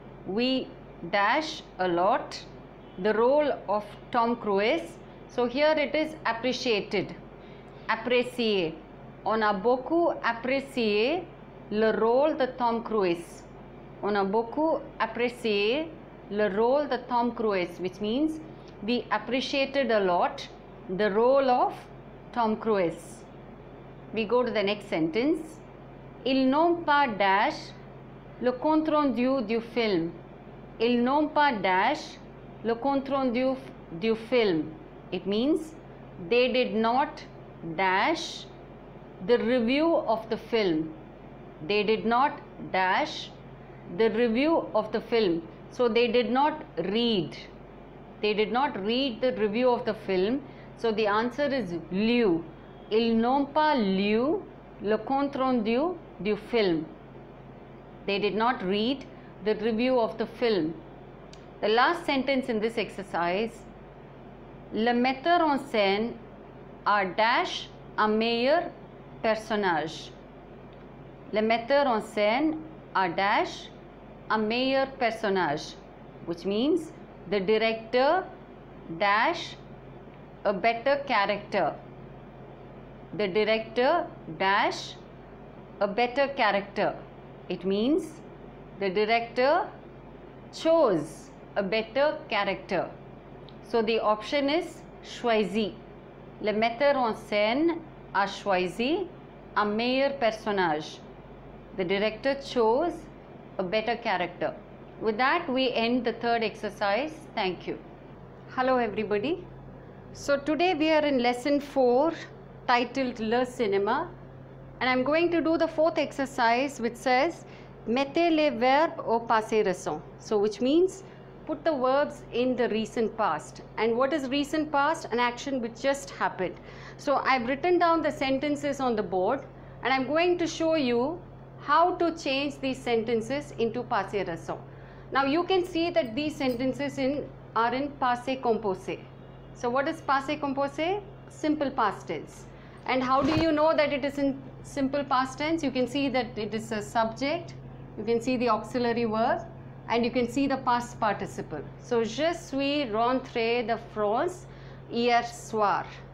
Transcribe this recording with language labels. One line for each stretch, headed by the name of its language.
English: We dash a lot the role of Tom Cruise. So here it is appreciated. Apprécié.
French: On a beaucoup apprécié le rôle de Tom Cruise. On a beaucoup apprécié le rôle de Tom Cruise,
English: which means we appreciated a lot the role of Tom Cruise. We go to the next sentence.
French: Ils n'ont pas dash le compte rendu du film. Ils n'ont pas dash le compte rendu du film.
English: It means they did not dash the review of the film. They did not dash the review of the film. So they did not read. They did not read the review of the film. So the answer is lu.
French: Ils n'ont pas lu le compte rendu du film.
English: They did not read the review of the film. The last sentence in this exercise.
French: Le metteur en scène a dash un meilleur personnage. Le metteur en scène a dash a meilleur personnage,
English: which means the director dash a better character. The director dash a better character. It means the director chose a better character. So the option is choisi. Le metteur en scène a choisi un meilleur personnage. The director chose a better character. With that, we end the third exercise. Thank you. Hello, everybody. So today we are in lesson 4, titled Le Cinéma. And I'm going to do the fourth exercise, which says,
French: Mettez les verbes au passé récent.
English: So which means, put the verbs in the recent past. And what is recent past? An action which just happened. So I've written down the sentences on the board, and I'm going to show you how to change these sentences into passé récent. Now you can see that these sentences are in passé composé. So what is passé composé? Simple past tense. And how do you know that it is in simple past tense? You can see that it is a subject, you can see the auxiliary verb, and you can see the past participle.
French: So je suis rentré de France hier soir.